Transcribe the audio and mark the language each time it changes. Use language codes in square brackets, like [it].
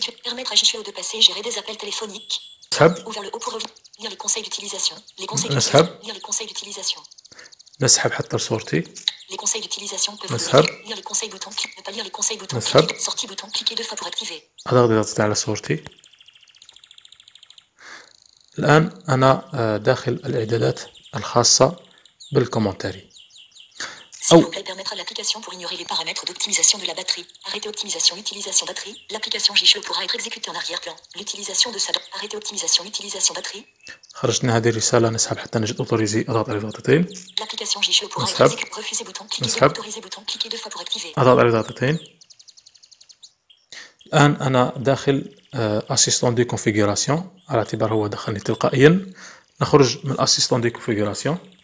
[fr] Permettre à Jishuyo de passer et gérer des appels téléphoniques. Ouvrez le haut pour revenir. Lire les conseils d'utilisation. Les conseils d'utilisation. Lire les conseils d'utilisation. [ar] نسحب حتى صورتي. [fr] Les conseils d'utilisation peuvent [ar] نسحب. [fr] Lire les conseils boutons. Ne pas lire les conseils boutons. [ar] نسحب. [fr] Sortie bouton. Cliquez deux fois pour activer. [ar] هذا غادي يضغط على صورتي. الآن أنا داخل الإعدادات الخاصة بالكومنتاري. [fr] S'il vous plaît, permettre à l'application pour ignorer les paramètres d'optimisation de la batterie. Arrêter optimisation utilisation batterie. L'application Jishuyo pourra être exécutée en arrière-plan. L'utilisation de sa batterie. Arrêter optimisation utilisation batterie. [ar] خرجتنا هذه الرسالة نسحب حتى نجد أوتوريزي أضغط عليه ضغطتين. [fr] L'application Jishuyo pourra être exécutée. Refuser bouton. Cliquez autoriser bouton. Cliquez deux fois pour activer. [ar] أضغط عليه ضغطتين. الآن أنا داخل أسيستون دي كونفيغوراسيون على اعتبار هو دخلني تلقائيا. نخرج من أسيستون دي كونفيغوراسيون.